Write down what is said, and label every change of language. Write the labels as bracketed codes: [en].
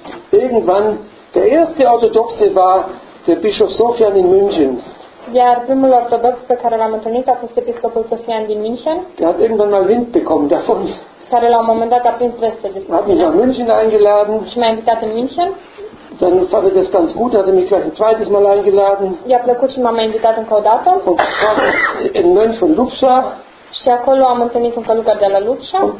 [de] irgendwann der erste Orthodoxe war der Bischof Sofian in München. [ro] Iar primul ortodox pe care l-am întâlnit a fost episcopul Sofian din München. [de] Der hat irgendwann mal Wind bekommen davon. [ro] Care la un moment dat a prins veste de. [de] Hat mich nach München eingeladen. [ro] Și m-a invitat în München. [de] Dann fand er das ganz gut, hat er mich gleich ein zweites Mal eingeladen. [ro] I-a plăcut și m-a invitat încă o dată. [de] In Mönch von Lupsa. [ro] Și acolo am întâlnit un călugăr de la Lupsa.